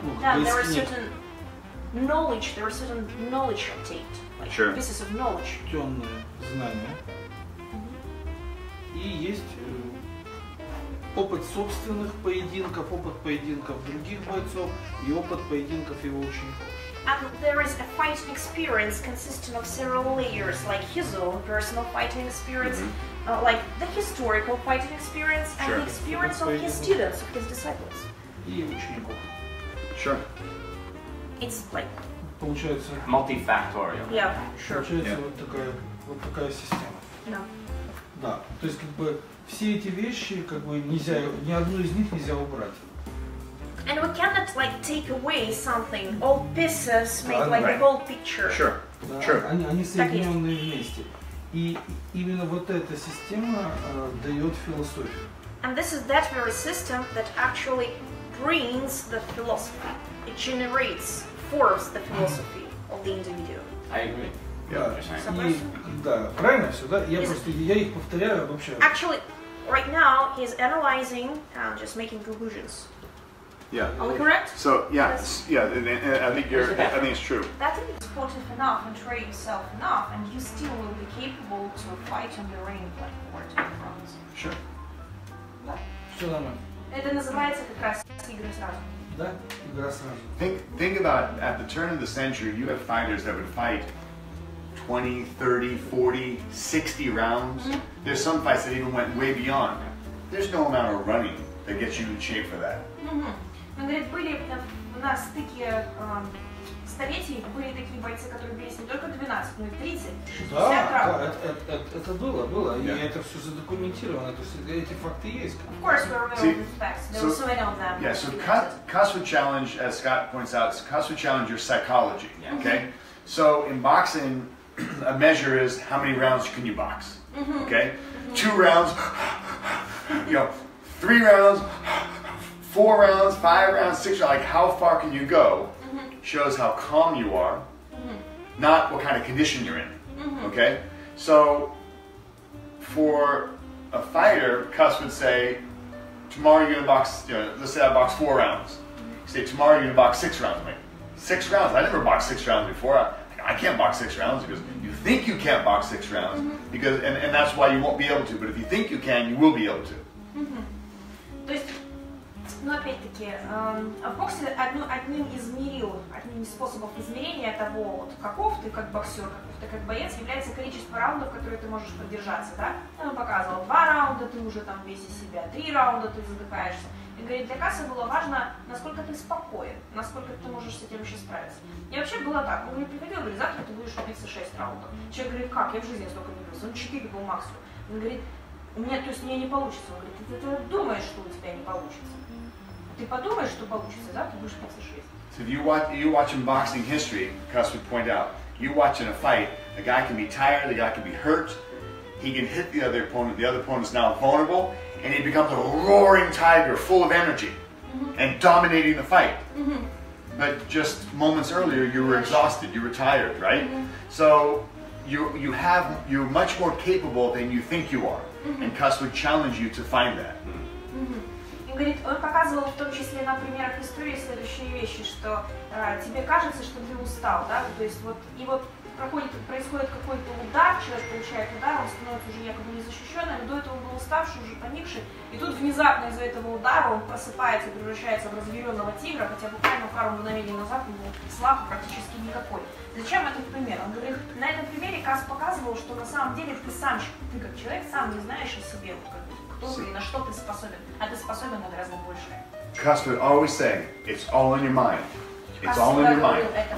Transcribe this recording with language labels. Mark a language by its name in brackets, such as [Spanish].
[Russian] Да, [English] there is certain knowledge, obtained. Sure. This is of knowledge. [Russian] Приобретенные знания. И есть опыт собственных поединков, опыт поединков других бойцов и опыт поединков его учеников. [English] And there is a fighting experience consisting of several layers, like his own personal fighting experience, like the historical fighting experience, and the experience of his students, of his disciples. Sure. It's like... [Russian] Получается... [English] Multifactorial. Yeah, sure. [Russian] Получается вот такая система. [English] Yeah. [Russian] Да. То есть, как бы, все эти вещи, как бы, нельзя, ни одну из них нельзя убрать. [English] And we cannot like take away something. All pieces make like the whole picture. Sure. [Russian] Да, [English] sure. [Russian] Они соединенные вместе. И именно вот эта система дает философию. [English] And this is that very system that actually brings the philosophy. It generates, forms the philosophy of the individual. I agree. Yeah. [Russian] Да, правильно все, да? Я их повторяю вообще. [English] Actually, right now he's analyzing, just making conclusions. Yeah. Are we correct? So yes. I think it's true. That if you're supportive enough and train yourself enough, and you still will be capable to fight on your own like war to the front. Sure. [Russian] Да. Что там? Это называется как раз игра сразу. Да, игра сразу. [English] Think about at the turn of the century, you have fighters that would fight 20, 30, 40, 60 rounds. Mm-hmm. There's some fights that even went way beyond. There's no amount of running that gets you in shape for that. [Russian] Mm-hmm. Он говорит, были у нас такие столетий, были такие бойцы, которые бились не только 12, но и 30. Да, это было. Yeah. И это все задокументировано, то есть эти факты есть. [English] Of course, we're aware of the facts. There were so many of them. Yeah, so Cas would challenge, as Scott points out, Cas would challenge your psychology, yeah. Okay? Mm-hmm. So in boxing, a measure is how many rounds can you box, mm-hmm. Okay? Mm-hmm. Two rounds, you know, three rounds, four rounds, five rounds, six rounds, like how far can you go, shows how calm you are, not what kind of condition you're in, okay? So for a fighter, Cas would say, tomorrow you're gonna box, you know, let's say I box four rounds. Say, tomorrow you're gonna box six rounds. I'm like, six rounds? I never boxed six rounds before. I can't box six rounds. He goes, you think you can't box six rounds, because and that's why you won't be able to, but if you think you can, you will be able to. [Russian] То есть, ну опять-таки, в боксе одним из способов измерения того, вот, каков ты как боксер, каков ты как боец, является количество раундов, которые ты можешь продержаться, да? Он показывал, два раунда ты уже там весь из себя, три раунда ты задыхаешься. И говорит, для Каса было важно, насколько ты спокоен, насколько ты можешь с этим вообще справиться. И вообще было так, он мне приходил, говорит, завтра ты будешь убиться шесть раундов. Человек говорит, как, я в жизни столько не бился, он четыре был максимум. Он говорит, у меня не получится. Он говорит, ты думаешь, что у тебя не получится. Ты подумаешь, что получится, да, ты будешь питься 6. [English] So if you watch in boxing history, Cas would point out, you watch in a fight, a guy can be tired, the guy can be hurt, he can hit the other opponent is now vulnerable, and he becomes a roaring tiger full of energy and dominating the fight. But just moments earlier you were exhausted, you were tired, right? So you're much more capable than you think you are. And Cas would challenge you to find that. [Russian] И говорит, он показывал в том числе на примерах истории следующие вещи, что тебе кажется, что ты устал, да? То есть вот и вот проходит, происходит какой-то удар, человек получает удар, он становится уже якобы незащищенным, до этого он был уставший, уже поникший, и тут внезапно из-за этого удара он просыпается и превращается в разъяренного тигра, хотя буквально пару мгновений назад у него славы практически никакой. Зачем этот пример? Он говорит, на этом примере Касс показывал, что на самом деле ты сам, ты как человек, сам не знаешь о себе, кто ты и на что ты способен, а ты способен на гораздо большее. [English] Касс would always say, it's all in your mind. It's all in your mind.